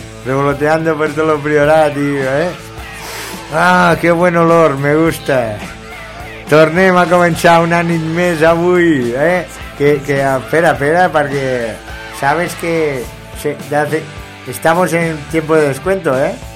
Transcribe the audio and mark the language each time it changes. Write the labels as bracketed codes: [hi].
[es] Revoloteando por todo lo priorat, tío, ¿eh? Ah, qué buen olor, me gusta. [ca] Tornem a començar un any més avui, ¿eh? Que espera, perquè [es] sabes que estamos en tiempo de descuento, ¿eh?